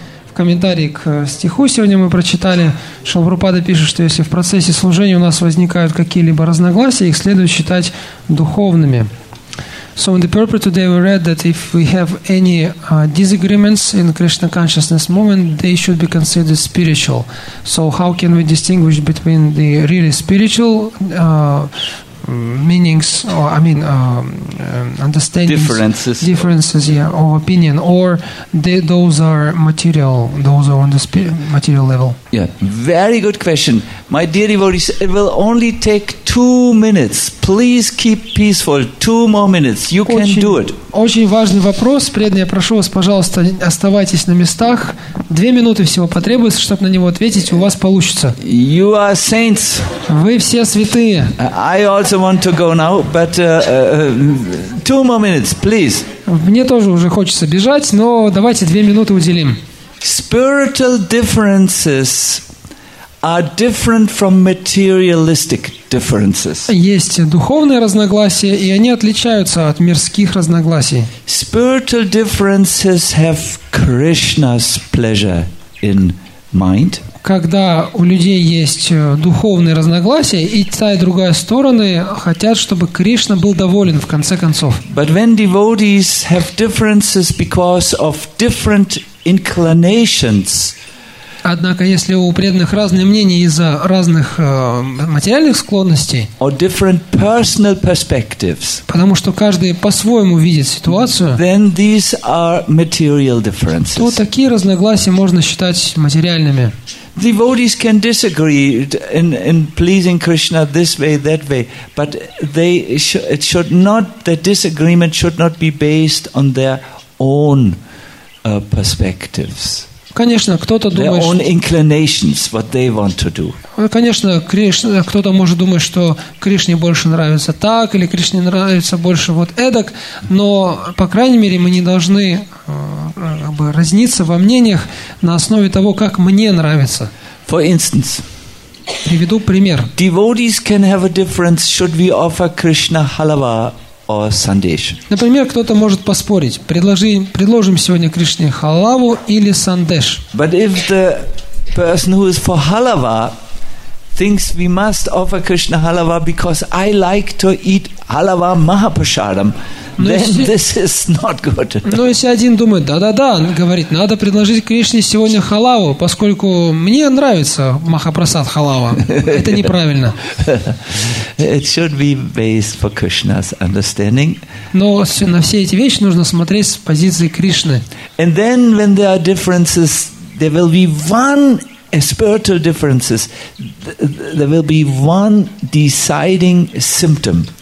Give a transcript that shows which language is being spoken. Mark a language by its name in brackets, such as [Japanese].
[Russian] В комментарии к стиху сегодня мы прочитали, Шрила Прабхупада пишет, что если в процессе служения у нас возникают какие-либо разногласия, их следует считать духовными. [English] So in the purport today we read that if we have any disagreements in Krishna consciousness movement, they should be considered spiritual. So how can we distinguish between the really spiritual meanings, or I mean, understandings, differences, yeah, of opinion, or those are material, those are on the material level. Yeah, very good question. My dear devotees, it will only take 2 minutes. Please keep peaceful. 2 more minutes. You can do it. [Russian] Очень важный вопрос. Преданные, я прошу вас, пожалуйста, оставайтесь на местах. 2 минуты всего потребуется, чтобы на него ответить. У вас получится. [English] You are saints. [Russian] Вы все святые. [English] I also want to go now, but 2 more minutes, please. [Russian] Мне тоже уже хочется бежать, но давайте 2 минуты уделим. [English] Spiritual differences are different from materialistic differences. [Russian] Есть духовные разногласия, и они отличаются от мирских разногласий. [English] Spiritual differences have Krishna's pleasure in mind. [Russian] Когда у людей есть духовные разногласия, и та и другая стороны хотят, чтобы Кришна был доволен в конце концов. [English] But when devotees have differences because of different inclinations. [Russian] Однако, если у преданных разные мнения из-за разных материальных склонностей, [English] or different personal perspectives, [Russian] потому что каждый по-своему видит ситуацию, [English] then these are material differences. [Russian] То такие разногласия можно считать материальными. [English] Devotees can disagree in pleasing Krishna this way, that way, but their disagreement should not be based on their own perspectives. [Russian] Конечно, кто-то думает, [English] their own inclinations, what they want to do. [Russian] Конечно, кто-то может думать, что Кришне больше нравится так, или Кришне нравится больше вот эдак, но, по крайней мере, мы не должны как бы разниться во мнениях на основе того, как мне нравится. [English] For instance, [Russian] приведу пример. [English] Devotees can have a difference, should we offer Krishna halwa or sandesh. [Russian] Например, кто-то может поспорить. Предложим сегодня Кришне халаву или сандеш. [English] But if the person who is for halwa thinks we must offer Krishna halwa because I like to eat halwa mahaprasadam, this is not good. [Russian] Но если один думает, да-да-да, говорит, надо предложить Кришне сегодня халаву, поскольку мне нравится махапрасад халава. Это неправильно. [English] It should be based for Krishna's understanding. [Russian] Но на все эти вещи нужно смотреть с позиции Кришны. [English] And then when there are differences, there will be one spiritual differences, there will be one deciding symptom.